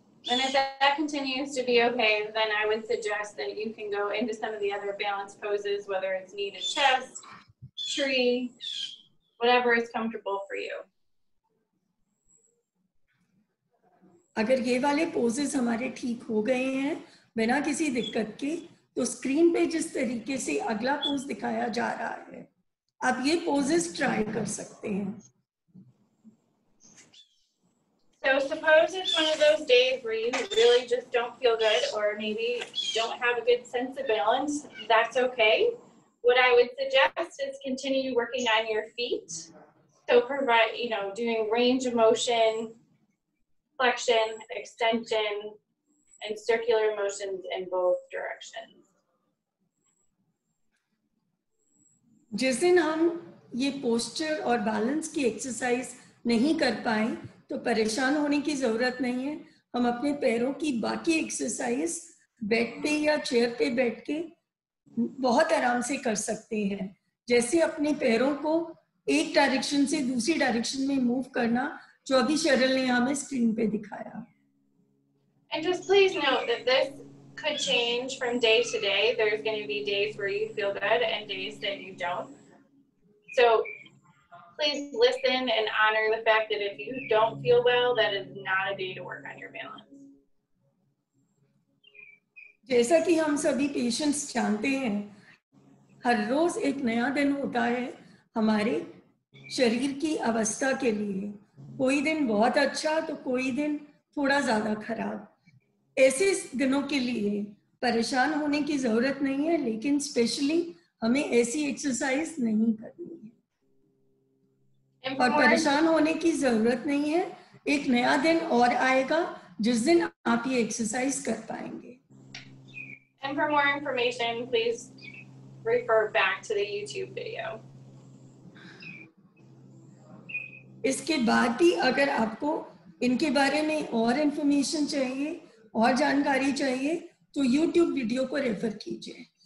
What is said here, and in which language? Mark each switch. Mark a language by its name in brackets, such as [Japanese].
[English] And if that continues to be okay, then I would suggest that you can go into some of the other balance poses, whether it's knee to chest, tree, whatever is comfortable for you. [Hindi] अगर ये वाले poses हमारे ठीक हो गए हैं बिना किसी दिक्कत के, तो स्क्रीन पे जिस तरीके से अगला पोज दिखाया जा रहा है, आप ये पोजेस ट्राई कर सकते हैं. [English] So suppose it's one of those days where you really just don't feel good or maybe don't have a good sense of balance, that's okay. What I would suggest is continue working on your feet. So provide, you know, doing range of motion, flexion, extension, and circular motions in both directions. [Hindi] जिस दिन हम ये posture और balance की exercise नहीं कर पाए तो परेशान होने की जरूरत नहीं है. हम अपने पैरों की बाकी एक्सरसाइज बेड पे या चेयर पे बैठ के बहुत आराम से कर सकते हैं. जैसे अपने पैरों को एक डायरेक्शन से दूसरी डायरेक्शन में मूव करना, जो अभी शेरल ने हमें स्क्रीन पे दिखाया. [English] And just please note that this could change from day to day. There's going to be days where you feel good and days that you don't. So please listen and honor the fact that if you don't feel well, that is not a day to work on your balance. [Hindi] जैसा कि हम सभी patients जानते हैं, हर रोज एक नया दिन होता है हमारे शरीर की अवस्था के लिए. कोई दिन बहुत अच्छा तो कोई दिन थोड़ा ज्यादा खराब. ऐसे दिनों के लिए परेशान होने की जरूरत नहीं है, लेकिन स्पेशली हमें ऐसी एक्सरसाइज नहीं करनी है. और परेशान होने की जरूरत नहीं है, एक नया दिन और आएगा जिस दिन आप ये एक्सरसाइज कर पाएंगे. [English] And for more information, please refer back to the YouTube video. [Hindi] इसके बाद भी अगर आपको इनके बारे में और इंफॉर्मेशन चाहिए और जानकारी चाहिए तो YouTube वीडियो को रेफर कीजिए.